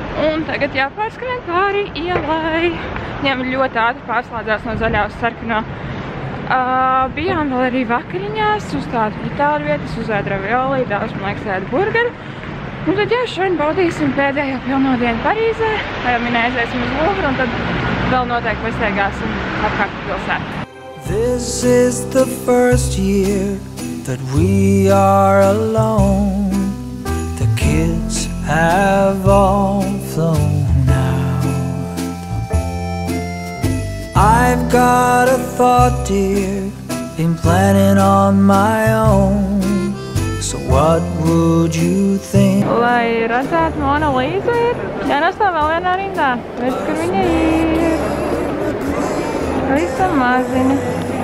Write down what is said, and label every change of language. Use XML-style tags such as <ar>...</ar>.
<lv>Un tagad jāpārskrien pāri ielai. Viņam ļoti ātri pārslādzās no zaļā uz sarkano. Bijām vēl arī vakariņās uz tādu itāļu vietu, uz ēd ravioli, daudz, man liekas, ēd burgeri. Un tad jā, šodien baudīsim pēdējo pilno dienu Parīzē. Tā jau minēsim uz Luvru un tad vēl noteikti pastaigāsim apkārt pilsētu.</lv> <en>This is the first year that we are alone. buckets have all flown out. I've got a thought, dear, been planning on my own. So what would you think?</en> <lv>Lai redzētu Mona Lisa ir jānostāv vēl vienā rindā. Redz, kur viņa ir. Lisa maziņa.</lv>